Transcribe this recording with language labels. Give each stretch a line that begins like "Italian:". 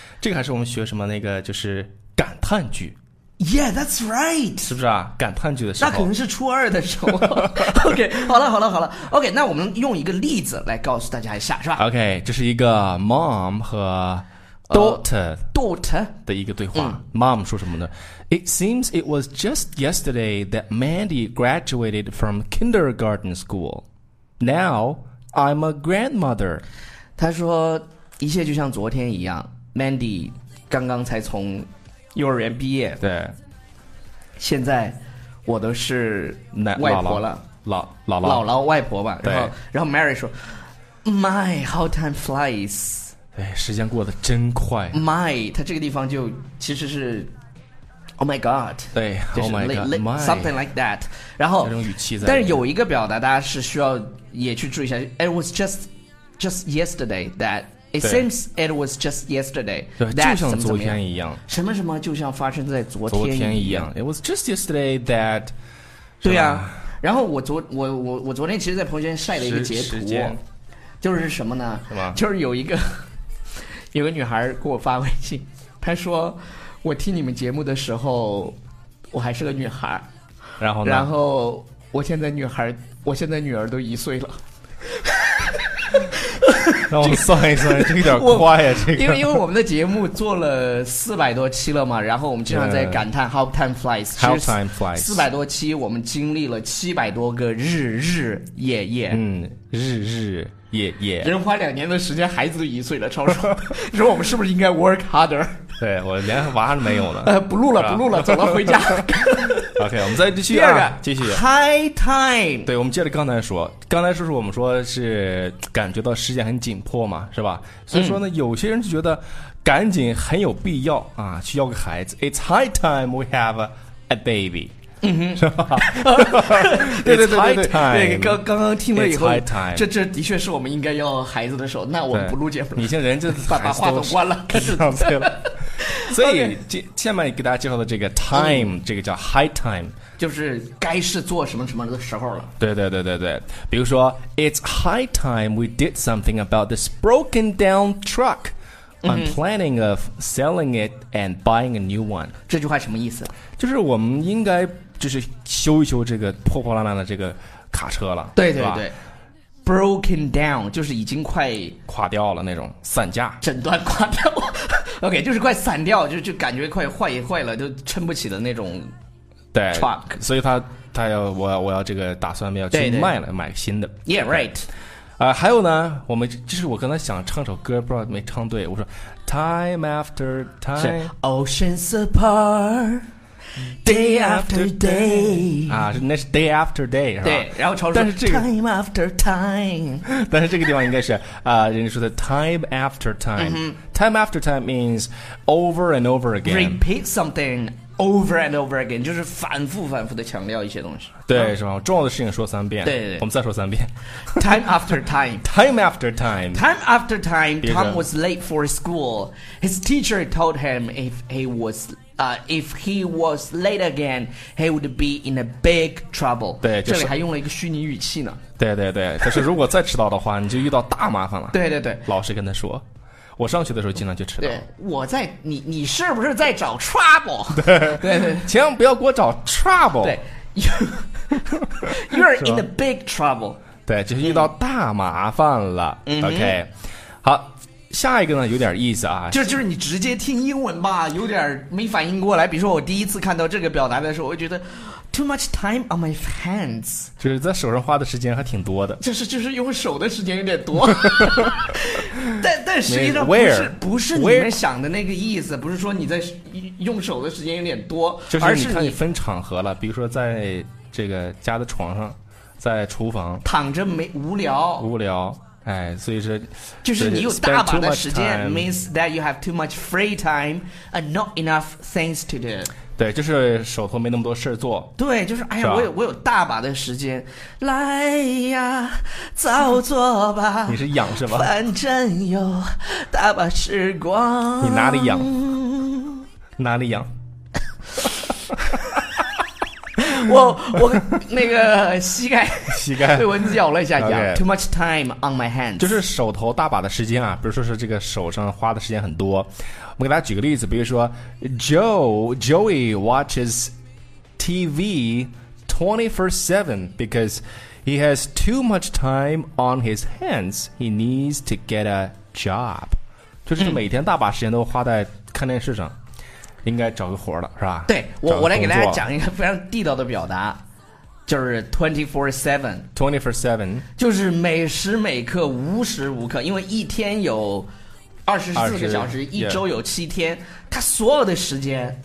Chinese: 这个还是我们学什么那个就是感叹句。
English: Yeah, that's right.
Chinese: 是不是啊？感叹句的时候，那可能是初二的时候。
English: OK,
Chinese: 好了，好了，好了。
English: OK,
Chinese: 那我们用一个例子来告诉大家一下，是吧？
English: OK,
Chinese: 这是一个 mom 和 daughter 的一个对话。
English: Mom
Chinese: 说什么呢
English: ？It seems it was just yesterday that Mandy graduated from kindergarten school. Now I'm a grandmother.
Chinese: 她说，一切就像昨天一样 ，Mandy 刚刚才从。幼儿园毕业，对，现在我都是外婆了，姥姥外婆吧。对，然后
English: Mary
Chinese: 说
English: ，My how time flies，
Chinese: 哎，时间过得真快。 My， 他这个地方就其实是 ，
English: Oh my God，对 ，Oh my God，My something like that。
Chinese: 然后那种语气在，但是有一个表达大家是需要也去注意一下 ，
English: It was just yesterday that。 It seems it was just yesterday.
Chinese: 对，就像昨天一样。什么什么就像发生在昨天一样。
English: It was just yesterday that.
Chinese: 对呀、啊，然后我昨天其实，在朋友圈晒了一个截图，就是什么呢？什么？就是有个女孩给我发微信，她说我听你们节目的时候，我还是个女孩。然后呢？然后我现在女儿都一岁了。让我们算一算，这个有点快呀、啊。这个，因为我们的节目做了400多期了嘛，然后我们经常在感叹
English: how time flies。 How time flies。
Chinese: 400多期，我们经历了700多个日日夜夜。嗯，日日夜夜。人花2年的时间，孩子都一岁了，超爽。你说我们是不是应该
English: work harder？
Chinese: 对，我连娃都没有了。不录了，不录了，走了，回家。 OK， 我们再继续啊，继续。
English: High time，
Chinese: 对，我们接着刚才说是我们说是感觉到时间很紧迫嘛，是吧？所以说呢，有些人就觉得赶紧很有必要啊，去要个孩子。
English: It's high time we have a baby。嗯哼，
Chinese: 是吧？对对对对对，
English: time,
Chinese: 对，刚刚听了以后，
English: high time.
Chinese: 这的确是我们应该要孩子的时候。那我们不录节目了，你现在人就把话筒关了，开始上车了。所以，下面给大家介绍的这个 time，这个叫
English: high time，
Chinese: 就是该是做什么什么的时候了。对对对对对，比如说
English: ，It's high time we did something about this broken down truck. I'm planning of selling it and buying a new one.
Chinese: 这句话什么意思？就是我们应该。就是修一修这个破破烂烂的这个卡车了，对对对, 对 ，
English: broken down
Chinese: 就是已经快垮掉了那种，散架，整段垮掉，OK 就是快散掉，就感觉快坏了，就撑不起的那种，对
English: ，truck，
Chinese: 所以他要我要这个打算要去卖了，买新的
English: ，Yeah right，
Chinese: 还有呢，我们就是我刚才想唱首歌，不知道没唱对，我说
English: time after time， oceans apart。 Day after day
Chinese: 啊，那是
English: day after day
Chinese: 是吧？对，然后超出，但是这个
English: time after time，
Chinese: 但是这个地方应该是人家说的
English: time after time，time after time means over and over again， repeat something over and over again，
Chinese: 就是反复的强调一些东西，对，是吧？重要的事情说三遍，对 对, 对，我们再说三遍
English: ，time after time， time after time， time after time， Tom was late for school， his teacher told him if he was late again, he would be in a big trouble.
Chinese: 对、就是，这里还用了一个虚拟语气呢。对对对，但是如果再迟到的话，你就遇到大麻烦了。对对对，老师跟他说，我上学的时候经常就迟到。对，我在你是不是在找
English: trouble？
Chinese: 对对对，千万不要给我找
English: trouble。
Chinese: 对，
English: You're in a big trouble.
Chinese: 对，就是遇到大麻烦了。 OK， 好，下一个呢有点意思啊，就是你直接听英文吧，有点没反应过来。比如说我第一次看到这个表达的时候，我会觉得
English: too much time on my hands，
Chinese: 就是在手上花的时间还挺多的，就是用手的时间有点多。但实际上不是你们想的那个意思，不是说你在用手的时间有点多，就是你看你分场合了，比如说在这个家的床上，在厨房躺着没无聊，无聊，哎，所以说，就是你有大把的时间
English: ，means that you have too much free time and not enough things to do。
Chinese: 对，就是手头没那么多事做。对，就是哎呀，我有大把的时间，来呀，早做吧。你是养是吧？反正有大把时光。你哪里养？哪里养？我那个膝盖被蚊子咬了一下。
English: Okay， too much time on my hands，
Chinese: 就是手头大把的时间啊，比如说是这个手上花的时间很多。我们给大家举个例子，比如说
English: Joey watches TV 24/7 because he has too much time on his hands. He needs to get a job，
Chinese: 就是每天大把时间都花在看电视上。应该找个活了是吧？对，我来给大家讲一个非常地道的表达，就是
English: 24/7
Chinese: 就是每时每刻无时无刻，因为一天有24个小时，一周有7天，他所有的时间